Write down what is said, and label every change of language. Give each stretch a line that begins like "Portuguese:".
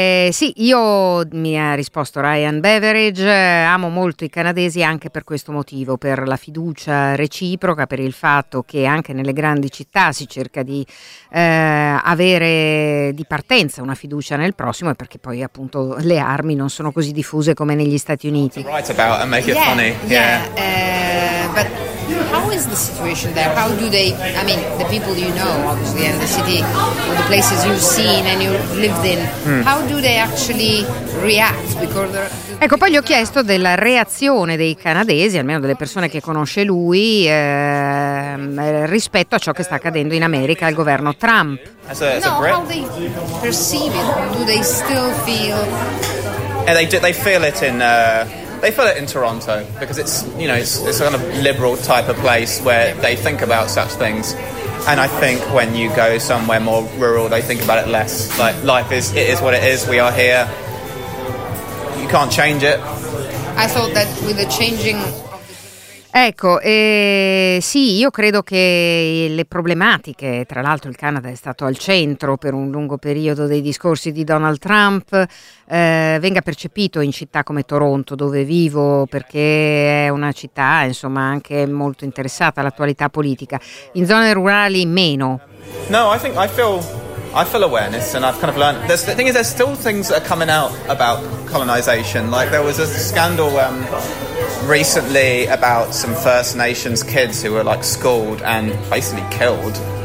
Italian: Sì, io, mi ha risposto Ryan Beveridge, amo molto i canadesi anche per questo motivo, per la fiducia reciproca, per il fatto che anche nelle grandi città si cerca di avere di partenza una fiducia nel prossimo, e perché poi appunto le armi non sono così diffuse come negli Stati Uniti.
English: Write about and make it funny. Yeah. But how is the situation there? How do they, I mean, the people you know, obviously, and the city, or the places you've seen and you've lived in, how do they actually react?
Italian: Ecco, poi gli ho chiesto della reazione dei canadesi, almeno delle persone che conosce lui, rispetto a ciò che sta accadendo in America al governo Trump.
English: No, how they perceive it? Do they still feel... Yeah, they feel it in... They feel it in Toronto because it's, you know, it's a kind of liberal type of place where they think about such things. And I think when you go somewhere more rural, they think about it less. Like, life is, it is what it is. We are here. You can't change it. I thought that with the changing...
Italian: Ecco, sì, io credo che le problematiche, tra l'altro il Canada è stato al centro per un lungo periodo dei discorsi di Donald Trump, venga percepito in città come Toronto, dove vivo, perché è una città insomma anche molto interessata all'attualità politica. In zone rurali meno.
English: No, I think I feel awareness, and I've kind of learned. The thing is, there's still things that are coming out about colonization. Like there was a scandal recently about some First Nations kids who were like schooled and basically killed.